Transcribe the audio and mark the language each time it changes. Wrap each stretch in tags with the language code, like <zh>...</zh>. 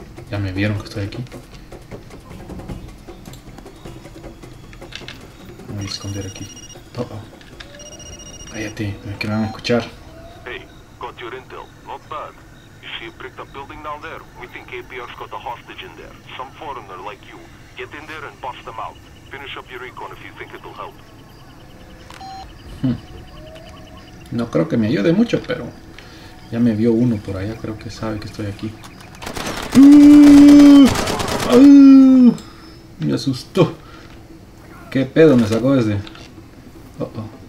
<es>Ya me vieron que estoy aquí. Me voy a esconder aquí. Oh, oh. Cállate, es que me van a escuchar.</es> <en>Hey, got your intel. Not bad. You see a bricked up building down there? We think APR's got a hostage in there. Some foreigner like you. Get in there and bust them out. Finish up your recon if you think it'll help.</en> <es>No creo que me ayude mucho, pero ya me vio uno por allá, creo que sabe que estoy aquí. Me asustó. ¿Qué pedo me sacó ese? Oh, oh.</es>